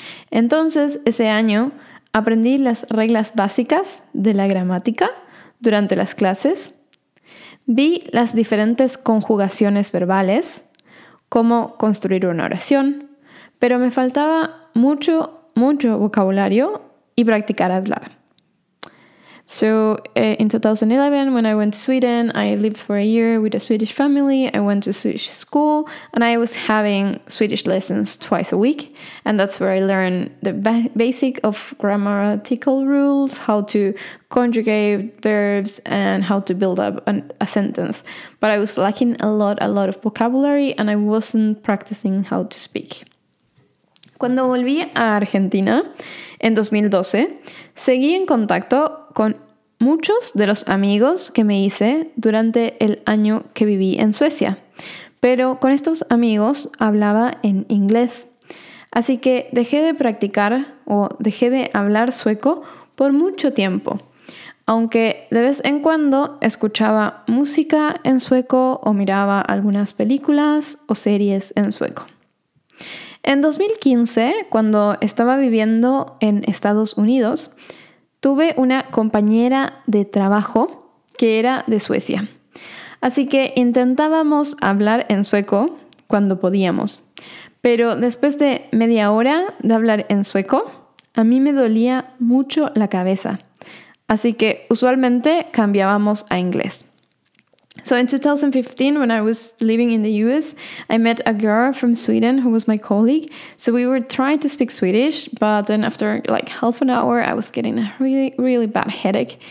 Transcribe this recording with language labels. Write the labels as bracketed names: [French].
[Spanish] Entonces, ese año aprendí las reglas básicas de la gramática durante las clases, vi las diferentes conjugaciones verbales, cómo construir una oración, pero me faltaba mucho, mucho vocabulario y practicar hablar. [English] So, in 2011, when I went to Sweden, I lived for a year with a Swedish family. I went to Swedish school and I was having Swedish lessons twice a week. And that's where I learned the basic of grammatical rules, how to conjugate verbs and how to build up a sentence. But I was lacking a lot of vocabulary and I wasn't practicing how to speak. [Spanish] Cuando volví a Argentina en 2012, seguí en contacto con muchos de los amigos que me hice durante el año que viví en Suecia, pero con estos amigos hablaba en inglés. Así que dejé de practicar o dejé de hablar sueco por mucho tiempo, aunque de vez en cuando escuchaba música en sueco o miraba algunas películas o series en sueco. En 2015, cuando estaba viviendo en Estados Unidos, tuve una compañera de trabajo que era de Suecia. Así que intentábamos hablar en sueco cuando podíamos. Pero después de media hora de hablar en sueco, a mí me dolía mucho la cabeza. Así que usualmente cambiábamos a inglés. [English] So in 2015, when I was living in the US, I met a girl from Sweden who was my colleague. So we were trying to speak Swedish, but then after like half an hour, I was getting a really, really bad headache.